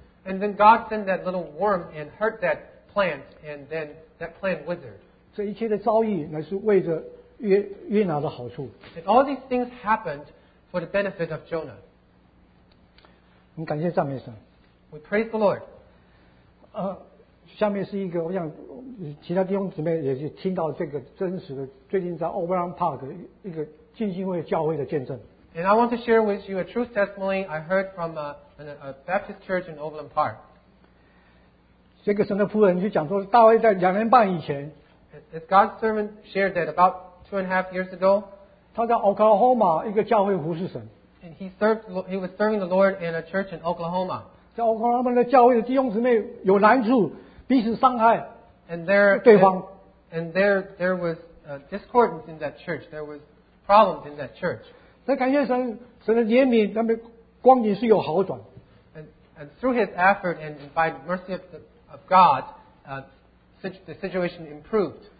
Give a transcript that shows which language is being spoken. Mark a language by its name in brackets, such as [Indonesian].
[English] And then God sent that little worm and hurt that plant, and then that plant withered. [Chinese] 这一切的遭遇乃是为着约拿的好处。 [English] And all these things happened for the benefit of Jonah. [Chinese] 我们感谢赞美神。 [English] We praise the Lord. [Chinese] 下面是一个，我想其他弟兄姊妹也是听到这个真实的，最近在 Overland Park 一个浸信会教会的见证。 [English] And I want to share with you a true testimony I heard from a Baptist church in Overland Park. [Chinese] 这个神的仆人就讲说，大卫在两年半以前 [English] ，As God's servant shared that about 2.5 years ago, [Chinese] 他在 Oklahoma 一个教会服侍神。 [English] And he was serving the Lord in a church in Oklahoma. [Chinese] 在 Oklahoma 的教会的弟兄姊妹有难处，彼此伤害对方。 [English] And there was discordance in that church. There was problems in that church. [Chinese] 但感谢神的怜悯，他们光景是有好转。 [English] And through his effort and by the mercy of God, the situation improved.